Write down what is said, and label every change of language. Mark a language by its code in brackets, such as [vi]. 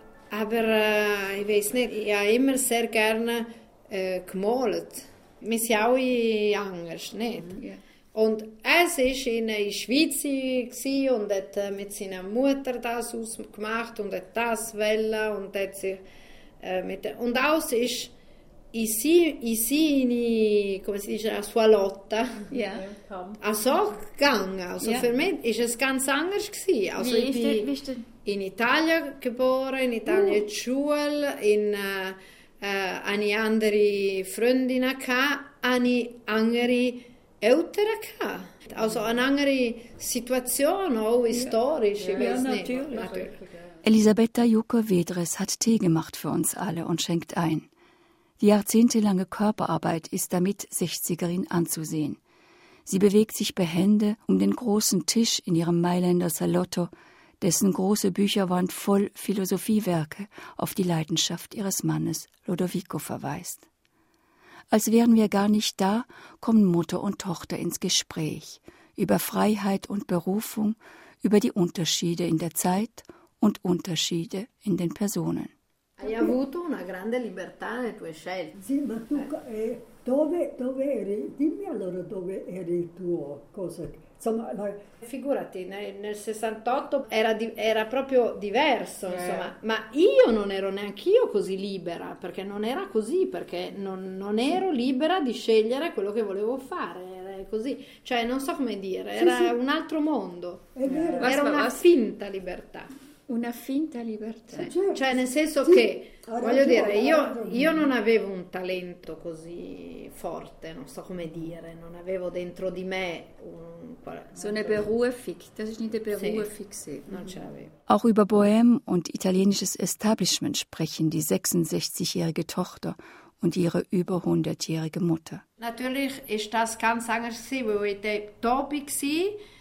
[de] Aber ich weiß nicht, ich habe immer sehr gerne gemalt. Wir sind alle anders. Nicht? Und es war in der Schweiz und hat mit seiner Mutter das ausgemacht und hat das wollen. Und, hat sich, mit, und alles ist. [it] Ici, come si dice, la sua lotta, yeah. [de] Also gegangen. Also yeah. Für mich ist es ganz anders gewesen. Also wie ich bin in Italien geboren, in Italien in Schule, in eine andere Freundin eine andere Eltern gehabt. Also eine andere Situation, auch historisch, yeah. Ich weiß yeah, nicht. Natürlich. Elisabetta Jucker-Wedres hat Tee gemacht für uns alle und schenkt ein. Die jahrzehntelange Körperarbeit ist damit 60erin anzusehen. Sie bewegt sich behende um den großen Tisch in ihrem Mailänder Salotto, dessen große Bücherwand voll Philosophiewerke auf die Leidenschaft ihres Mannes Lodovico verweist. Als wären wir gar nicht da, kommen Mutter und Tochter ins Gespräch über Freiheit und Berufung, über die Unterschiede in der Zeit und Unterschiede in den Personen. [it] Hai avuto una grande libertà nelle tue scelte. Sì, ma tu dove eri? Dimmi allora dove eri il tuo cosa. Insomma, figurati, nel 68 era proprio diverso, insomma. Ma io non ero neanch'io così libera, perché non era così, perché non ero libera di scegliere quello che volevo fare. Così, cioè non so come dire, era un altro mondo. È vero. Era una finta libertà. Una finta libertà. Sì, certo. Cioè, nel senso sì, che, voglio dire, io non avevo un talento così forte, non so come dire, non avevo dentro di me un... [de] Sono berufig, das ist nicht der berufig, [it] sì. Non ce l'avevo. [de] Auch über Bohème und italienisches Establishment sprechen die 66-jährige Tochter und ihre über 100-jährige Mutter. Natürlich ist das ganz anders, weil ich da oben war.